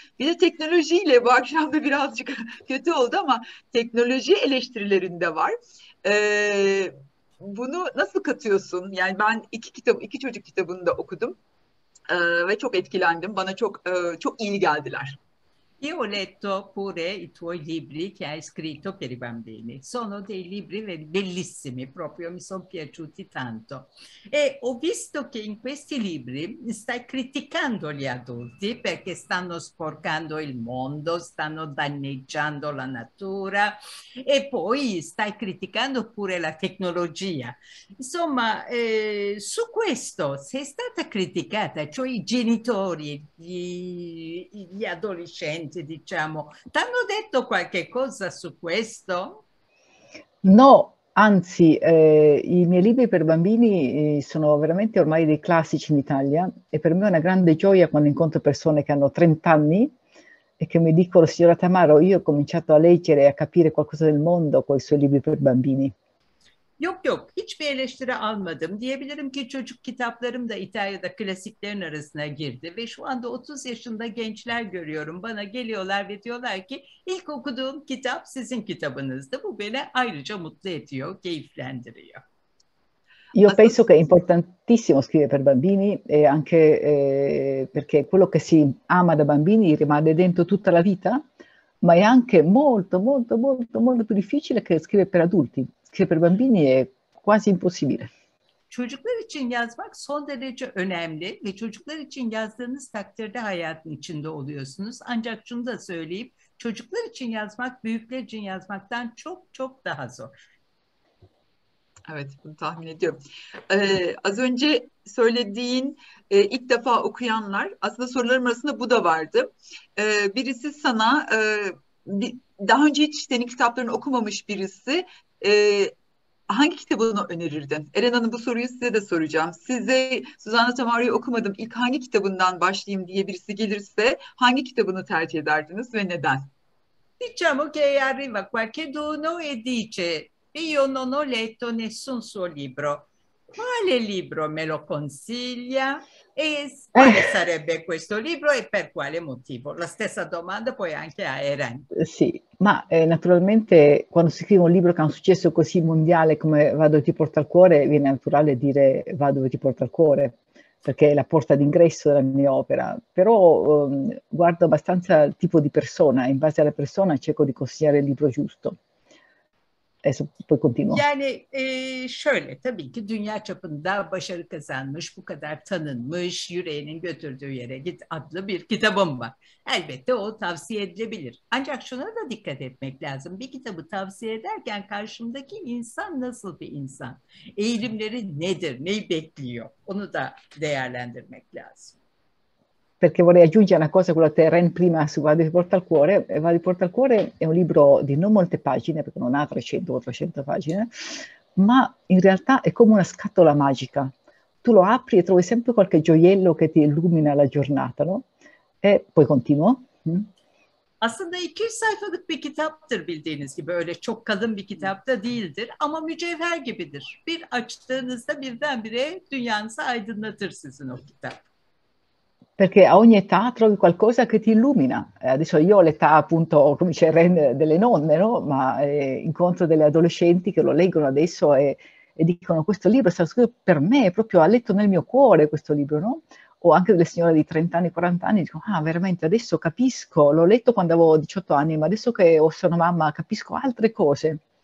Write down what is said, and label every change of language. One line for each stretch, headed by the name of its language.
Turkish: Bir de teknolojiyle bu akşam da birazcık kötü oldu ama teknoloji eleştirilerinde var. Bunu nasıl katıyorsun? Yani ben iki çocuk kitabını da okudum ve çok etkilendim. Bana çok çok iyi geldiler.
Italian: Io letto pure i tuoi libri che hai scritto per i bambini. Sono dei libri bellissimi, proprio mi sono piaciuti tanto. E ho visto che in questi libri stai criticando gli adulti perché stanno sporcando il mondo, stanno danneggiando la natura e poi stai criticando pure la tecnologia. Insomma, su questo sei stata criticata, cioè i genitori, gli adolescenti, diciamo, ti hanno detto qualche cosa su questo? No, anzi, i miei libri per bambini sono veramente ormai dei classici in Italia e per me è una grande gioia quando incontro persone che hanno 30 anni e che mi dicono: signora Tamaro, io ho cominciato a leggere e a capire qualcosa del mondo con i suoi libri per bambini.
Turkish: Yok yok, hiçbir eleştiri almadım. Diyebilirim ki çocuk kitaplarım da İtalya'da klasiklerin arasına girdi. Ve şu anda 30 yaşında gençler görüyorum. Bana geliyorlar ve diyorlar ki ilk okuduğum kitap sizin kitabınızdı. Bu beni ayrıca mutlu ediyor, keyiflendiriyor.
Italian: Io penso che è importantissimo scrivere per bambini e anche perché quello che si ama da bambini rimane dentro tutta la vita, ma è anche molto, molto, molto, molto più difficile che scrivere per adulti. Per bambini è quasi impossibile.
Turkish: Çocuklar için yazmak son derece önemli ve çocuklar için yazdığınız takdirde hayatın içinde oluyorsunuz. Ancak şunu da söyleyeyim, çocuklar için yazmak büyükler için yazmaktan çok çok daha zor. Evet, bunu tahmin ediyorum. Az önce söylediğin ilk defa okuyanlar, aslında sorularım arasında bu da vardı. Birisi sana, daha önce hiç senin kitaplarını okumamış birisi, hangi kitabını önerirdin? Eren Hanım, bu soruyu size de soracağım. Size Suzanne Tamaro'yu okumadım, İlk hangi kitabından başlayayım diye birisi gelirse hangi kitabını tercih ederdiniz ve neden?
Italian: Diciamo che arriva qualcuno e dice: io non ho letto nessun suo libro. Quale libro me lo consiglia? E quale sarebbe questo libro e per quale motivo? La stessa domanda poi anche a Eren. Sì, ma naturalmente quando si scrive un libro che ha un successo così mondiale come Vado dove ti porta il cuore, viene naturale dire Vado dove ti porta il cuore, perché è la porta d'ingresso della mia opera. Però guardo abbastanza il tipo di persona, in base alla persona cerco di consigliare il libro giusto. Eso puoi continuare.
Turkish: Yani şöyle, tabii ki dünya çapında başarı kazanmış, bu kadar tanınmış, yüreğinin götürdüğü yere git adlı bir kitabım var. Elbette o tavsiye edilebilir. Ancak şuna da dikkat etmek lazım. Bir kitabı tavsiye ederken karşımdaki insan nasıl bir insan? Eğilimleri nedir? Neyi bekliyor? Onu da değerlendirmek lazım.
Italian: Perché vorrei aggiungere una cosa, quello che Ren prima su Vado di Porta al Cuore. Vado di Porta al Cuore è un libro di non molte pagine, perché non ha 300-400 pagine, ma in realtà è come una scatola magica. Tu lo apri e trovi sempre qualche gioiello che ti illumina la giornata, no? E poi continuo.
Turkish: Aslında 200 sayfalık bir kitaptır bildiğiniz gibi. Öyle çok kalın bir kitap da değildir ama mücevher gibidir. Bir açtığınızda birdenbire dünyanızı aydınlatır sizin o kitap.
Italian: Perché a ogni età trovi qualcosa che ti illumina. Adesso io ho l'età appunto, come dice Ren, delle nonne, no? Ma incontro delle adolescenti che lo leggono adesso e dicono questo libro è stato scritto per me, proprio ha letto nel mio cuore questo libro, no? O anche delle signore di 30 anni, 40 anni, dicono, ah veramente adesso capisco, l'ho letto quando avevo 18 anni, ma adesso che sono mamma capisco altre cose.